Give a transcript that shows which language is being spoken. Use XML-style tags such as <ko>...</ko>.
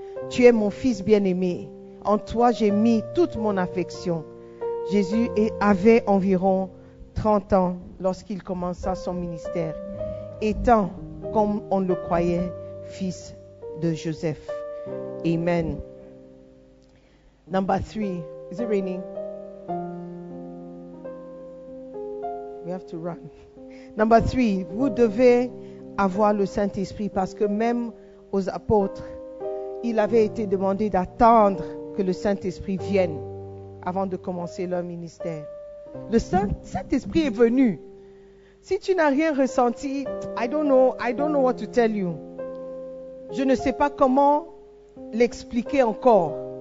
<fr>Tu es mon fils bien-aimé, en toi j'ai mis toute mon affection. Jésus avait environ 30 ans lorsqu'il commença son ministère, étant, comme on le croyait, fils de Joseph. Amen.</fr> <en>Number three, is it raining? We have to run. Number three,</en> <fr>vous devez avoir le Saint-Esprit parce que même aux apôtres, il avait été demandé d'attendre que le Saint-Esprit vienne avant de commencer leur ministère. Le Saint-Esprit est venu. Si tu n'as rien ressenti,</fr> <en>I don't know what to tell you.</en> <fr>Je ne sais pas comment l'expliquer encore.</fr>